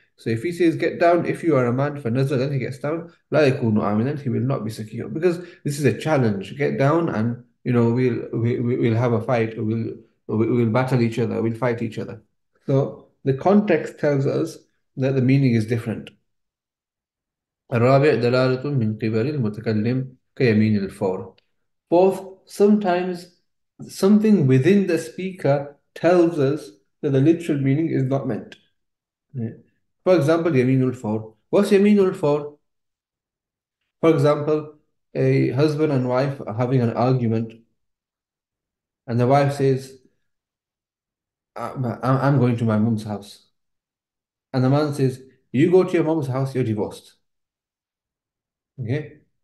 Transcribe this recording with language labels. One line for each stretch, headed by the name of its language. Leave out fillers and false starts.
English: So if he says get down, if you are a man, فنزل, then he gets down.
Arabic: لا يكون آمنا,
English: he will not be secure. Because this is a challenge. Get down and You know, we'll have a fight. We'll battle each other. We'll fight each other. So the context tells us that the meaning is different.
Arabic: الرابع دلالة من قبل المتكلم كيمين الفور.
English: Fourth, sometimes something within the speaker tells us that the literal meaning is not meant. For example, يمين الفور. What's يمين الفور? For example. A husband and wife are having an argument, and the wife says, I'm going to my mom's house. And the man says, You go to your mom's house, you're divorced. Okay.